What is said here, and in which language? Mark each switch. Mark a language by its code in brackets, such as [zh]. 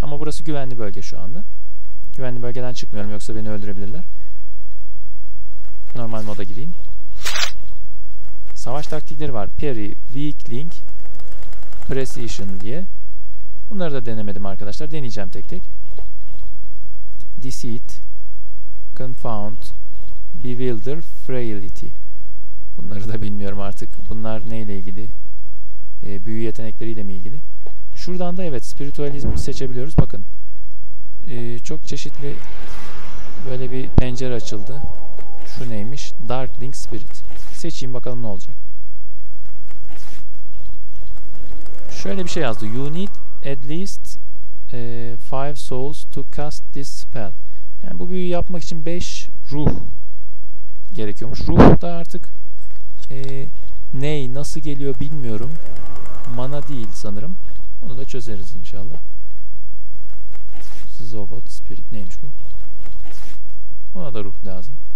[tr] Ama burası güvenli bölge şu anda. Güvenli bölgeden çıkmıyorum, yoksa beni öldürebilirler. Normal moda gireyim. Savaş taktikleri var. Parry, Weakling, Precision diye. Bunları da denemedim arkadaşlar. Deneyeceğim tek tek. [en] Deceit, Confound, Bewilder, Frailty. [tr] Bunları da bilmiyorum artık. Bunlar neyle ilgili? Büyü yetenekleriyle mi ilgili? Şuradan da evet, spiritualizmi seçebiliyoruz. Bakın. Çok çeşitli böyle bir pencere açıldı. Şu neymiş? Darkling Spirit. Seçeyim bakalım ne olacak. Şöyle bir şey yazdı. [en] You need at least 5 souls to cast this spell. [tr] Yani bu büyüyü yapmak için 5 ruh gerekiyormuş. Ruh da artık nasıl geliyor bilmiyorum. Mana değil sanırım. Onu da çözeriz inşallah. Zogot Spirit neymiş bu? Buna da ruh lazım.